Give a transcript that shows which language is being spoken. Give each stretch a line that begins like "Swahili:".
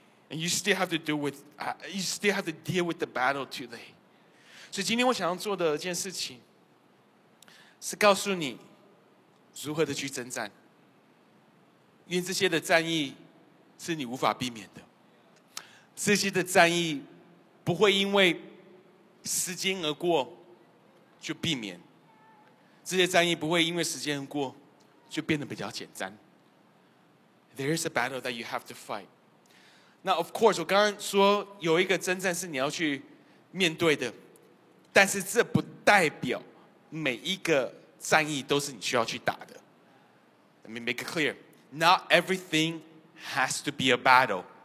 English: And you still have to deal with, you still have to deal with the battle today.
Chinese: 所以今天我想要做的一件事情，是告诉你如何的去征战，因为这些的战役是你无法避免的，这些的战役不会因为时间而过就避免，这些战役不会因为时间而过就变得比较简单。
English: There is a battle that you have to fight.
Chinese: 那 of course 我刚刚说有一个征战是你要去面对的，但是这不代表每一个战役都是你需要去打的。
English: Let me make it clear， Not everything has to be a battle，